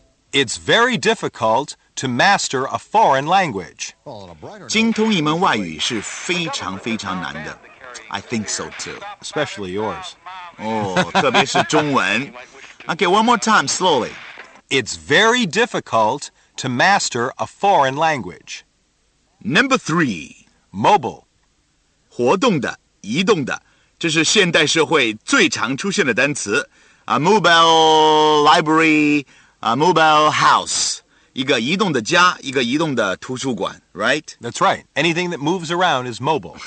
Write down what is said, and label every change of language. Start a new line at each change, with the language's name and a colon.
English: It's very difficult to master a foreign language.
Chinese: 精通一门外语是非常非常难的。
English: I think so too. Especially yours.
Chinese: 特别是中文。
English: Okay, one more time, slowly. It's very difficult to master a foreign language. Number three. Mobile.
Chinese: 活动的、移动的，这是现代社会最常出现的单词。
English: A mobile library... A mobile house,
Chinese: 一个移动的家，一个移动的图书馆
English: right? That's right. Anything that moves around is mobile.